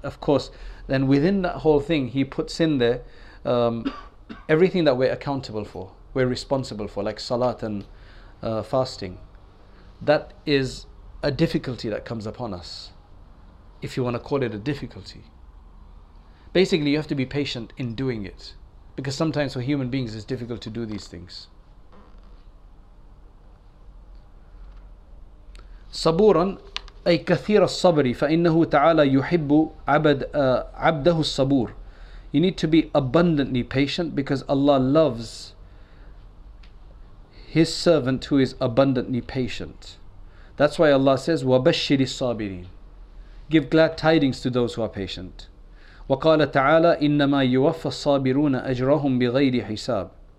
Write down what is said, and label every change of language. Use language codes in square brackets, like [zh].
[en] Of course, then within that whole thing, He puts in there everything that we're accountable for, we're responsible for, like salat and fasting. That is a difficulty that comes upon us, if you want to call it a difficulty. Basically, you have to be patient in doing it. Because sometimes for human beings, it's difficult to do these things. [ar] صَبُورًا أي كثير الصبر فإنه تعالى يحب عبده الصبور. [en] You need to be abundantly patient because Allah loves His servant who is abundantly patient. That's why Allah says [ar] وَبَشِّرِ الصَّابِرِينَ. [en] Give glad tidings to those who are patient. [ar] وَقَالَ تَعَالَى إِنَّمَا يُوَفَّى الصَّابِرُونَ أَجْرَهُمْ بِغَيْرِ حِسَابٍ.